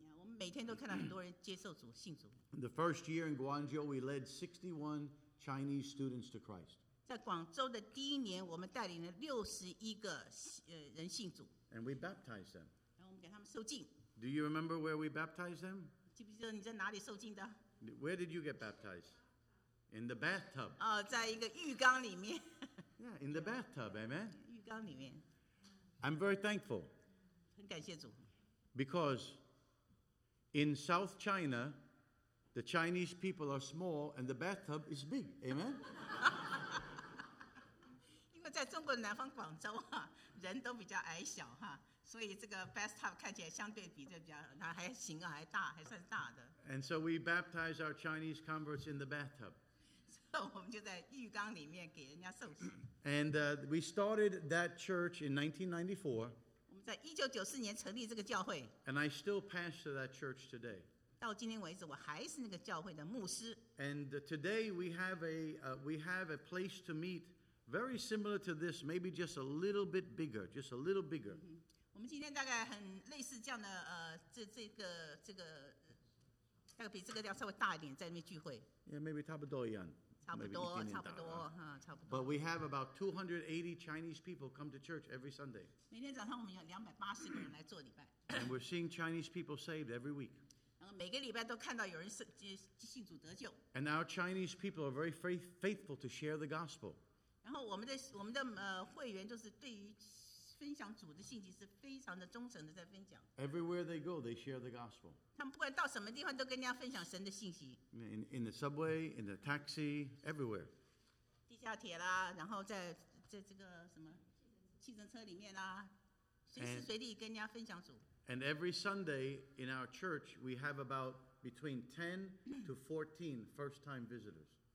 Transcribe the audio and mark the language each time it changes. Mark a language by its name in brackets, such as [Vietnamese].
[Chinese] 我们每天都看到很多人接受主信主。 [English] The first year in Guangzhou, we led 61 Chinese students to Christ. [Chinese] 在广州的第一年，我们带领了61个人信主。 [English] And we baptized them. [Chinese] 然后我们给他们受浸。 [English] Do you remember where we baptized them? [Chinese] 记不记得你在哪里受浸的？ [English] Where did you get baptized? In the bathtub. [Chinese] 哦，在一个浴缸里面。 [English] Yeah, in the bathtub, amen. [Chinese] 浴缸里面。 [English] I'm very thankful. [Chinese] 很感谢主。 [English] Because in South China, the Chinese people are small and the bathtub is big, amen. [Chinese] 因为在中国南方广州啊，人都比较矮小哈。所以这个 bathtub 看起来相对比这比较，它还行啊，还大，还算大的。 [English] And so we baptize our Chinese converts in the bathtub. [Chinese] 所以我们就在浴缸里面给人家受洗。 [English] And we started that church in 1994. [Chinese] 我们在1994年成立这个教会。 [English] And I still pastor that church today. [Chinese] 到今天为止，我还是那个教会的牧师。 [English] And today we have a place to meet very similar to this, maybe just a little bit bigger, just a little bigger. [Chinese] 我们今天大概很类似这样的，这个大概比这个要稍微大一点，在那边聚会。 [English] Yeah, maybe [Chinese] 差不多一样。差不多。 [English] But we have about 280 Chinese people come to church every Sunday. [Chinese] 每天早上我们有280个人来做礼拜。 [English] And we're seeing Chinese people saved every week. [Chinese] 然每个礼拜都看到有人信主得救。 [English] And our Chinese people are very faithful to share the gospel. [Chinese] 然后我们的会员就是对于分享主的信息是非常的忠诚的在分享。 [English] Everywhere they go, they share the gospel. [Chinese] 他们不管到什么地方都跟人家分享神的信息。 [English] In the subway, in the taxi, everywhere. [Chinese] 地下铁啦，然后在这个什么计程车里面啦，随时随地跟人家分享主。 [English] And every Sunday in our church, we have about between 10 to 14 first-time visitors.